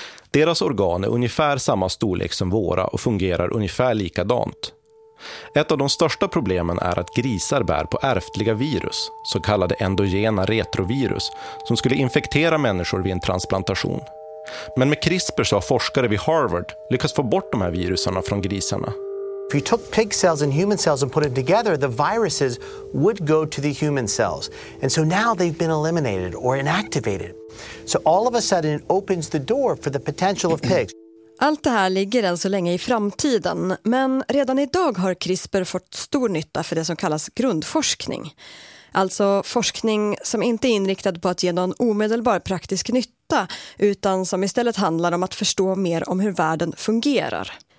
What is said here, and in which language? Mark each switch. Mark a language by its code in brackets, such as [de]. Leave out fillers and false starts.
[sv] Deras organ är ungefär samma storlek som våra och fungerar ungefär likadant. Ett av de största problemen är att grisar bär på ärftliga virus, så kallade endogena retrovirus, som skulle infektera människor vid en transplantation. Men med CRISPR så har forskare vid Harvard lyckats få bort de här viruserna från grisarna. [en] If you took pig cells and human cells and put them together, the viruses would go to the human cells. And so now they've been eliminated or inactivated. So all of a sudden it opens the door for the potential of pigs. [sv] Allt det här ligger än så länge i framtiden, men redan idag har CRISPR fått stor nytta för det som kallas grundforskning. Alltså forskning som inte är inriktad på att ge någon omedelbar praktisk nytta, utan som istället handlar om att förstå mer om hur världen fungerar.